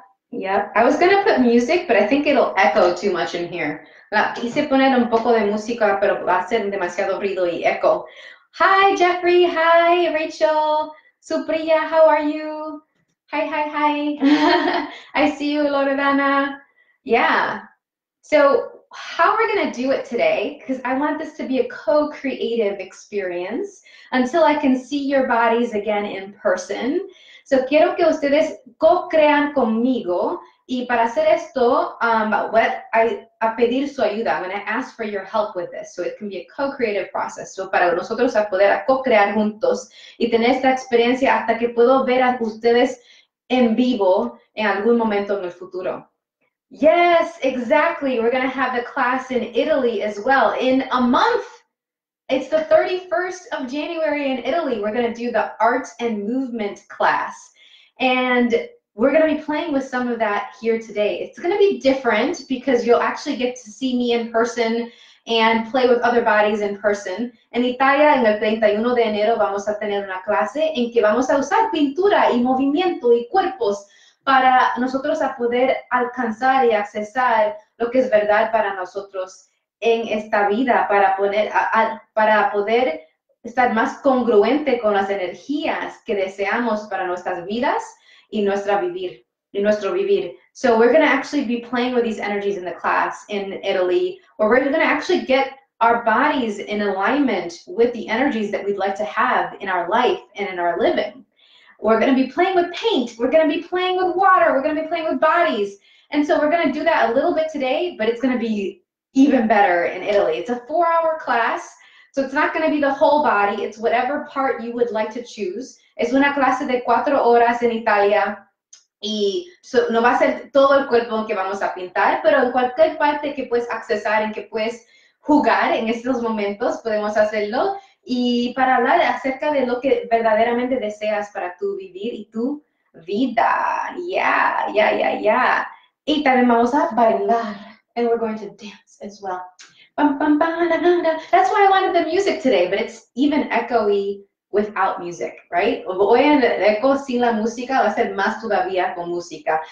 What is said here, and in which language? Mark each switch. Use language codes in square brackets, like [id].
[en] Yep. I was going to put music, but I think it'll echo too much in here. [es] Quise poner un poco de música, pero va a ser demasiado ruido y echo. [en] Hi, Jeffrey. Hi, Rachel. Supriya, how are you? Hi. I see you, Loredana. Yeah. So how we're going to do it today, because I want this to be a co-creative experience until I can see your bodies again in person. [es] So quiero que ustedes co-crean conmigo. Y para hacer esto, a pedir su ayuda. [en] I'm going to ask for your help with this so it can be a co-creative process. [es] So para nosotros a poder co-crear juntos y tener esta experiencia hasta que puedo ver a ustedes en vivo en algún momento en el futuro. [en] Yes, exactly. We're going to have the class in Italy as well in a month. It's the 31st of January in Italy. We're going to do the art and movement class. And we're going to be playing with some of that here today. It's going to be different because you'll actually get to see me in person and play with other bodies in person. [es] En Italia, en el 31 de enero, vamos a tener una clase en que vamos a usar pintura y movimiento y cuerpos para nosotros a poder alcanzar y accesar lo que es verdad para nosotros en esta vida, para poder estar más congruente con las energías que deseamos para nuestras vidas y nuestra vivir, y nuestro vivir. [en] So we're going to actually be playing with these energies in the class in Italy, where we're going to actually get our bodies in alignment with the energies that we'd like to have in our life and in our living. We're going to be playing with paint. We're going to be playing with water. We're going to be playing with bodies. And so we're going to do that a little bit today, but it's going to be even better in Italy. It's a 4-hour class, so it's not going to be the whole body. It's whatever part you would like to choose. [es] Es una clase de 4 horas en Italia. Y so, no va a ser todo el cuerpo que vamos a pintar, pero en cualquier parte que puedes accesar, en que puedes jugar en estos momentos, podemos hacerlo. Y para hablar acerca de lo que verdaderamente deseas para tu vivir y tu vida. Yeah. Y también vamos a bailar. [en] And we're going to dance as well. Bam, bam, bam, da, da, da. That's why I wanted the music today, but it's even echoey without music, right? [es] Voy en el eco sin la música, va a ser más todavía con música.